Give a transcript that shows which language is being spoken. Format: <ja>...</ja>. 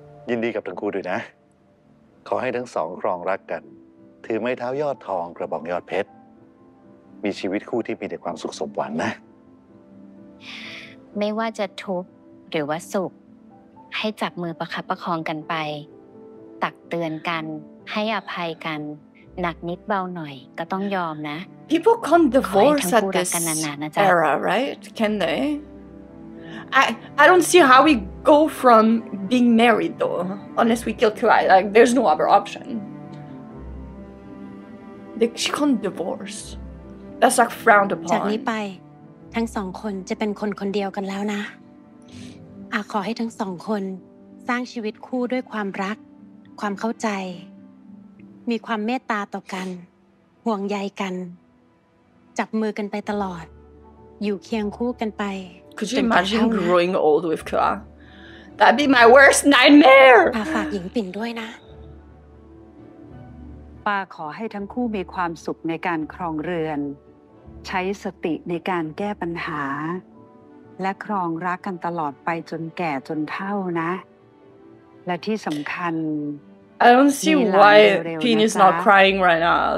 <th>ยินดีกับทั้งคู่ด้วยนะขอให้ทั้งสองครองรักกันถือไม้เท้ายอดทองกระบอกยอดเพชรมีชีวิตคู่ที่มีแต่ความสุขสมหวังนะ ไม่ว่าจะทุกข์หรือว่าสุขให้จับมือประคับประคองกันไปตักเตือนกันให้อภัยกันหนักนิดเบาหน่อยก็ต้องยอมนะ</th> <en>People can't divorce at this era, right? Can they? I don't see how we go from being married though, unless we kill Kuai. Like, there's no other option. Like, she can't divorce. That's like frowned upon.</en> <th>จากนี้ไปทั้งสองคนจะเป็นคนคนเดียวกันแล้วนะขอให้ทั้งสองคนสร้างชีวิตคู่ด้วยความรักความเข้าใจมีความเมตตาต่อกันห่วงใยกันจับมือกันไปตลอดอยู่เคียงคู่กันไป</th> <en>Could you imagine growing old with Kla? That'd be my worst nightmare.</en> <th>ป้าฝากหญิงปิ่นด้วยนะ ป้าขอให้ทั้งคู่มีความสุขในการครองเรือนใช้สติในการแก้ปัญหาและครองรักกันตลอดไปจนแก่จนเฒ่านะและที่สำคัญ</th> <en>I don't see why Pin is not crying right now.</en>